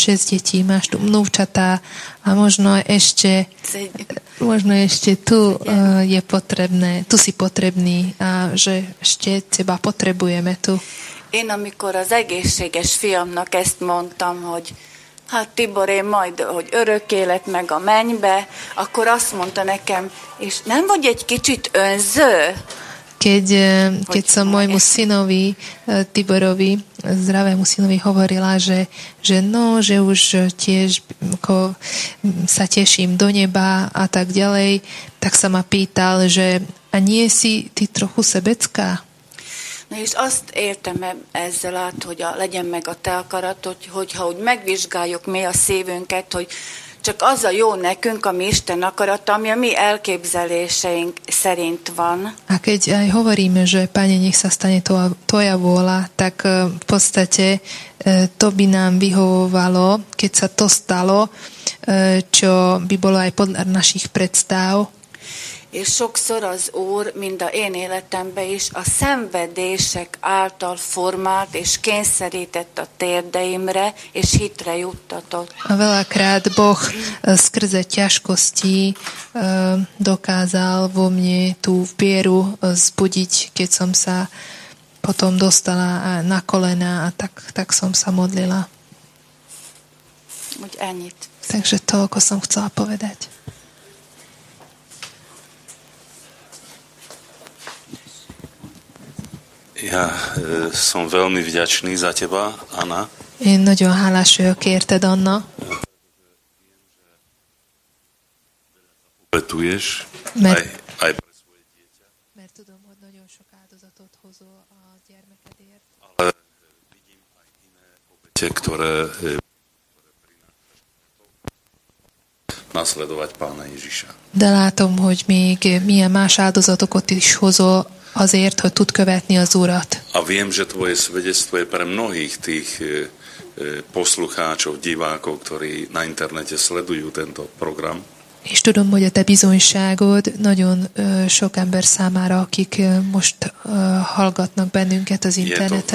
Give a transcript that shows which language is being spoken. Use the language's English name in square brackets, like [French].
[Slovak] Šesť detí, máš tu vnúčata a možno ešte tu je potrebné, tu si potrebný a že ešte teba potrebujeme tu. [Hungarian] Én amikor az egészséges fiamnak ezt mondtam, hogy hát Tibor, én majd, hogy örök élet meg a mennybe, akkor azt mondta nekem, és nem vagy egy kicsit önző? [Slovak] Keď som môjmu synovi, Tiborovi, zdravému synovi hovorila, že už tiež ako, sa teším do neba a tak ďalej, tak sa ma pýtal, že a nie si ty trochu sebecká? [Hungarian] Na és azt értem ezzel át, hogy legyen meg a te akaratod, hogyha úgy megvizsgáljuk mi a szívünket, hogy csak az a jó nekünk, ami Isten akarata, ami a mi elképzeléseink szerint van. [Slovak] A keď aj hovoríme, že Pane, nech sa stane tvoja vôľa, tak v podstate to by nám vyhovovalo, keď sa to stalo, čo by bolo aj podľa našich predstav. [Hungarian] És sokszor az Úr, mind a én életemben is, a szenvedések által formált és kényszerített a térdeimre, és hitre juttatott. [Slovak] A veľakrát Boh skrze ťažkosti dokázal vo mne tú vieru zbudiť, keď som sa potom dostala na kolena a tak som sa modlila. [Hungarian] Úgy ennyit. [Slovak] Takže toľko som chcela povedať. Ja som veľmi vďačný za teba, Anna. [Hungarian] Én nagyon hálás vagyok érted, Anna. [Slovak] Obetuješ aj pre svoje dieťa. [Hungarian] Mert tudom, hogy nagyon sok áldozatot hozol a gyermekedért. [Slovak] Ale vidím aj iné obete, ktoré nasledovať Pána Ježiša. [Hungarian] De látom, hogy még milyen más áldozatokot is hozol azért, hogy tud követni az Urat. [Slovak] A viem, že tvoje svedectvo je pre mnohých tých poslucháčov, divákov, ktorí na internete sledujú tento program. [Hungarian] És tudom, hogy a te bizonyságod nagyon sok ember számára, akik most hallgatnak bennünket az interneten.